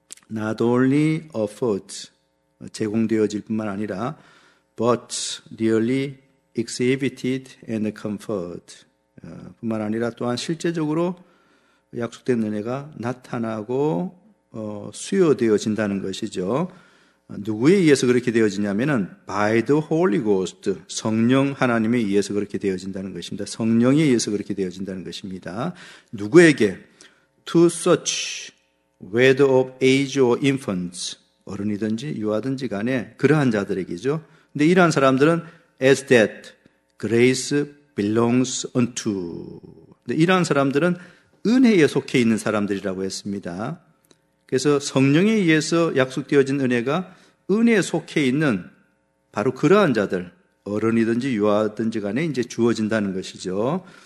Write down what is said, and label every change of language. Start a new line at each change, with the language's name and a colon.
English: not only offered,
Korean: 제공되어질 뿐만 아니라
English: but really exhibited and conferred,
Korean: 뿐만 아니라 또한 실제적으로 약속된 은혜가 나타나고 수여되어진다는 것이죠. 누구에 의해서 그렇게 되어지냐면은
English: by the Holy Ghost,
Korean: 성령 하나님에 의해서 그렇게 되어진다는 것입니다. 성령에 의해서 그렇게 되어진다는 것입니다. 누구에게?
English: To such, whether of age or infants,
Korean: 어른이든지 유아든지 간에 그러한 자들에게죠. 근데 이러한 사람들은
English: as that grace belongs unto.
Korean: 근데 이러한 사람들은 은혜에 속해 있는 사람들이라고 했습니다. 그래서 성령에 의해서 약속되어진 은혜가 은혜에 속해 있는 바로 그러한 자들, 어른이든지 유아든지 간에 이제 주어진다는 것이죠.